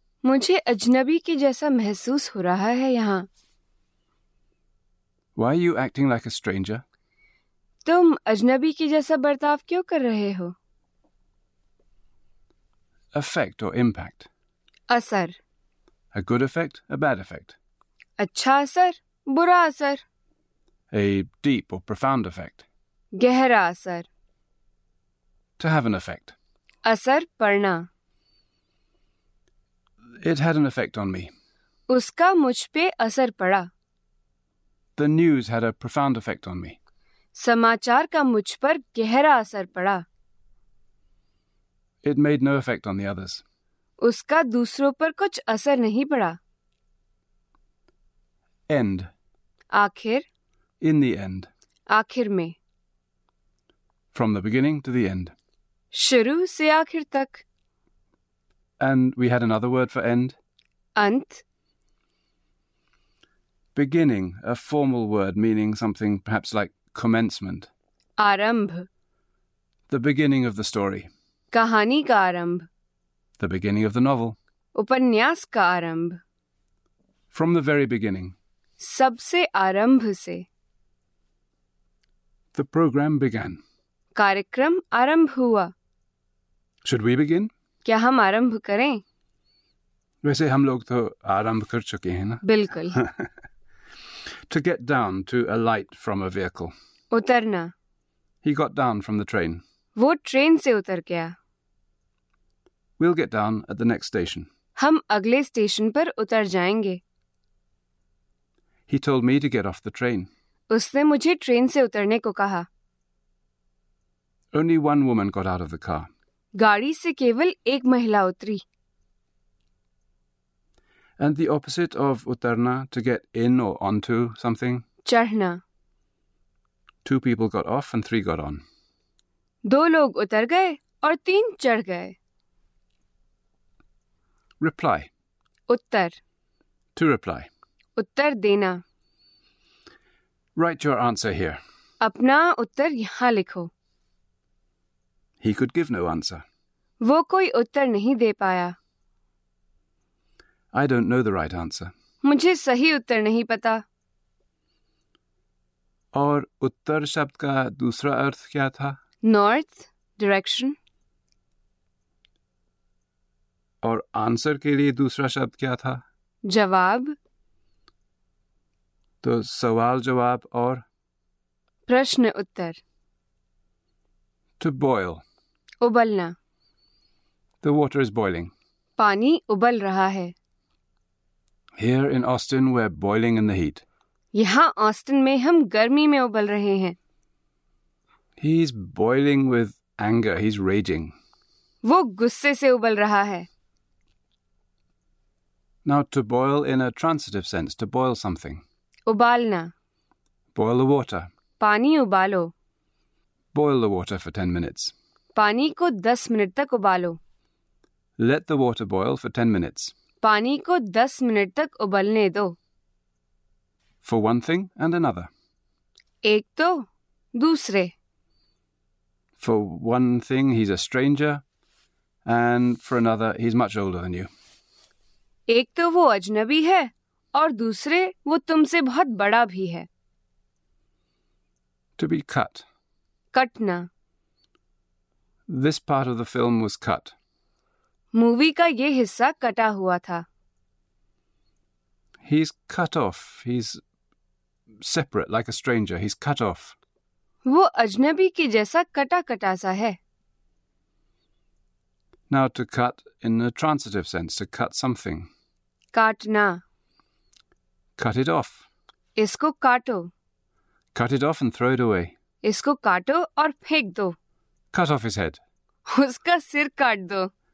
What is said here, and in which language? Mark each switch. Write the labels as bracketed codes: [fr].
[hi] मुझे अजनबी के जैसा महसूस हो रहा है यहाँ। [en] Why are you acting like a stranger? [hi] तुम अजनबी के जैसा बर्ताव क्यों कर रहे हो? [en] Effect or impact? [hi] असर। [en] A good effect, a bad effect? [hi] अच्छा असर, बुरा असर। [en] A deep or profound effect? [hi] गहरा असर। [en] To have an effect. [hi] असर पड़ना। [en] It had an effect on me. [hi] उसका मुझ पे असर पड़ा। [en] The news had a profound effect on me. [hi] समाचार का मुझ पर गहरा असर पड़ा। [en] It made no effect on the others. [hi] उसका दूसरों पर कुछ असर नहीं पड़ा। [en] End. [hi] आखिर। [en] In the end. [hi] आखिर में। [en] From the beginning to the end. [hi] शुरू से आखिर तक। [en] And we had another word for end. [hi] अंत। [en] Beginning, a formal word meaning something perhaps like commencement. [hi] आरंभ। [en] The beginning of the story. [hi] कहानी का आरंभ। [en] The beginning of the novel. [hi] उपन्यास का आरंभ। [en] From the very beginning. [hi] सबसे आरंभ से। [en] The program began. [hi] कार्यक्रम आरंभ हुआ। [en] Should we begin? [hi] क्या हम आरंभ करें? वैसे हम लोग तो आरंभ कर चुके हैं ना। बिल्कुल। [en] To get down to alight from a vehicle. [hi] उतरना। [en] He got down from the train. [hi] वो ट्रेन से उतर गया। [en] We'll get down at the next station. [hi] हम अगले स्टेशन पर उतर जाएंगे। [en] He told me to get off the train. [hi] उसने मुझे ट्रेन से उतरने को कहा। [en] Only one woman got out of the car. [hi] गाड़ी से केवल एक महिला उतरी। [en] And the opposite of utarna, to get in or onto something? [hi] चढ़ना। [en] Two people got off and three got on. [hi] दो लोग उतर गए और तीन चढ़ गए। [en] Reply. [hi] उत्तर। [en] To reply. [hi] उत्तर देना। [en] Write your answer here. [hi] अपना उत्तर यहाँ लिखो। [en] He could give no answer. [hi] वो कोई उत्तर नहीं दे पाया। [en] I don't know the right answer. [hi] मुझे सही उत्तर नहीं पता। और उत्तर शब्द का दूसरा अर्थ क्या था? [en] North, direction. [hi] और आंसर के लिए दूसरा शब्द क्या था? जवाब। तो सवाल जवाब और प्रश्न उत्तर। [en] to boil, [hi] उबलना। [en] the water is boiling, [hi] पानी उबल रहा है। [en] Here in Austin, we're boiling in the heat. [hi] यहाँ ऑस्टिन में हम गर्मी में उबल रहे हैं। [en] He's boiling with anger. He's raging. [hi] वो गुस्से से उबल रहा है। [en] Now to boil in a transitive sense, to boil something. [hi] उबालना। [en] Boil the water. [hi] पानी उबालो। [en] Boil the water for 10 minutes. [hi] पानी को 10 मिनट तक उबालो। [en] Let the water boil for 10 minutes. [hi] पानी को 10 मिनट तक उबलने दो। [en] For one thing and another. [hi] एक तो, दूसरे। [en] For one thing, he's a stranger, and for another, he's much older than you. [hi] एक तो वो अजनबी है और दूसरे वो तुमसे बहुत बड़ा भी है। [en] To be cut. [hi] कटना। [en] This part of the film was cut. [hi] Movie का ये हिस्सा कटा हुआ था। [en] He's cut off. He's separate, like a stranger. He's cut off. [hi] वो अजनबी के जैसा कटा कटा सा है। [en] Now to cut in a transitive sense, to cut something. [hi] काटना। [en] Cut it off. [hi] इसको काटो। [en] Cut it off and throw it away. [hi] इसको काटो और फेंक दो। [en] Cut off his head. [hi] उसका सिर काट दो।